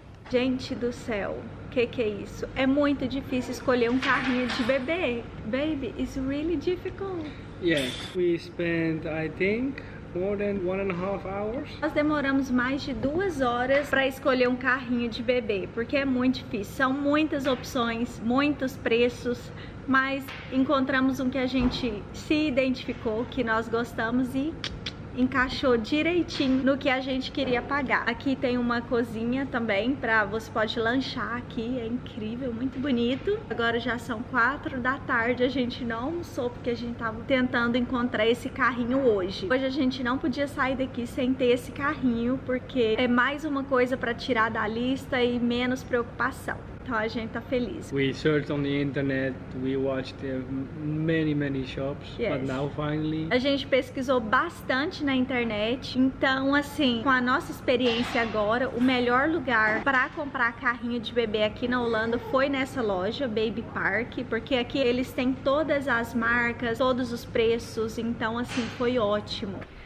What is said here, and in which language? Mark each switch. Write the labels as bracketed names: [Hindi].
[Portuguese] Gente do céu, que é isso? É muito difícil escolher um carrinho de bebê. [English] Baby, it's really difficult. Yes, we spent, I think, more than 1.5 hours. [Portuguese] Nós demoramos mais de 2 horas para escolher um carrinho de bebê, porque é muito difícil. São muitas opções, muitos preços, mas encontramos um que a gente se identificou, que nós gostamos e... encaixou direitinho no que a gente queria pagar. Aqui tem uma cozinha também, para você pode lanchar aqui, é incrível, muito bonito. Agora já são 4 da tarde, a gente não almoçou porque a gente tava tentando encontrar esse carrinho hoje. Hoje a gente não podia sair daqui sem ter esse carrinho, porque é mais uma coisa para tirar da lista e menos preocupação. Então a gente tá feliz. [English] We searched on the internet, we watched many shops, yes. But now finally. [Portuguese] A gente pesquisou bastante na internet, então assim, com a nossa experiência agora, o melhor lugar para comprar carrinho de bebê aqui na Holanda foi nessa loja, Baby Park, porque aqui eles têm todas as marcas, todos os preços, então assim, foi ótimo.